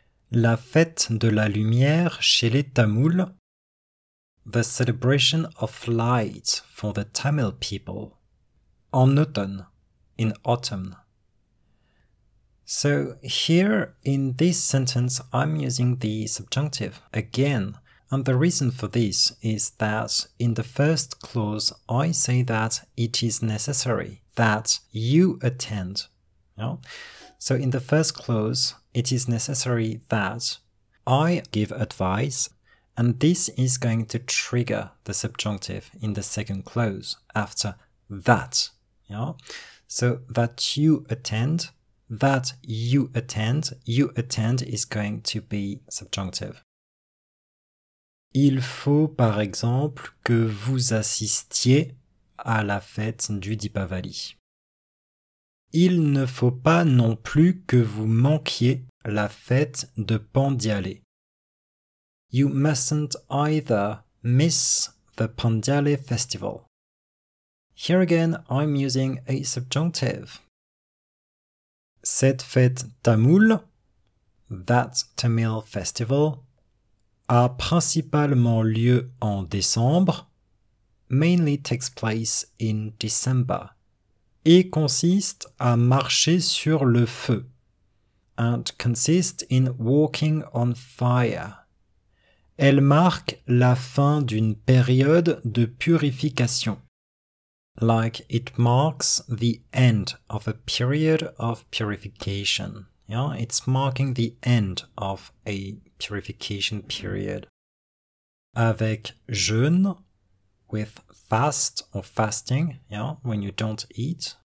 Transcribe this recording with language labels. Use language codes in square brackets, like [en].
[fr] La fête de la lumière chez les Tamouls. [en] The celebration of light for the Tamil people. [fr] En automne. [en] In autumn. So here in this sentence, I'm using the subjunctive again. And the reason for this is that in the first clause, I say that it is necessary that you attend. No? So in the first clause, it is necessary that I give advice. And this is going to trigger the subjunctive in the second clause after that. Yeah? So that you attend, that you attend is going to be subjunctive. [fr] Il faut, par exemple, que vous assistiez à la fête du Deepavali. Il ne faut pas non plus que vous manquiez la fête de Pandiale. [en] You mustn't either miss the Pandiale festival. Here again, I'm using a subjunctive. [fr] Cette fête tamoule, [en] that Tamil festival, [fr] a principalement lieu en décembre, [en] mainly takes place in December, [fr] et consiste à marcher sur le feu, [en] and consists in walking on fire. [fr] Elle marque la fin d'une période de purification. [en] Like it marks the end of a period of purification. Yeah, it's marking the end of a purification period. [fr] Avec jeûne, [en] with fast or fasting, yeah, when you don't eat.